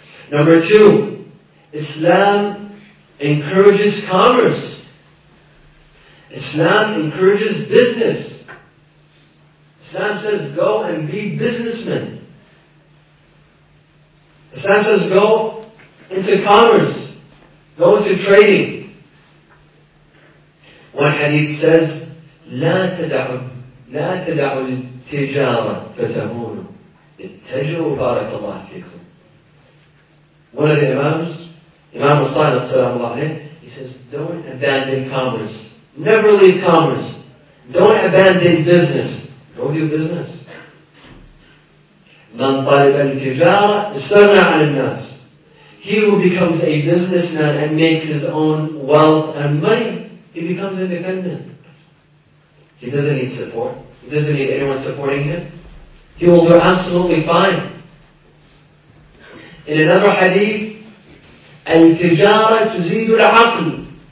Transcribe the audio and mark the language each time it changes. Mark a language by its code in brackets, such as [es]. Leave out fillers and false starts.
[en] Number two, Islam encourages commerce. Islam encourages business. Islam says go and be businessmen. Islam says go into commerce. Go into trading. One hadith says, [ar] لا تدعوا التجارة فتهونوا. اتجروا بارك الله فيكم. [en] One of the Imams, Imam al-Sadiq sallallahu alayhi wa sallam, he says, don't abandon commerce. Never leave commerce. Don't abandon business. Go do business. [ar] من طلب التجارة استغنى عن الناس. [en] He who becomes a businessman and makes his own wealth and money, he becomes independent. He doesn't need support. He doesn't need anyone supporting him. He will do absolutely fine. In another hadith, [ar] التجارة تزيد العقل.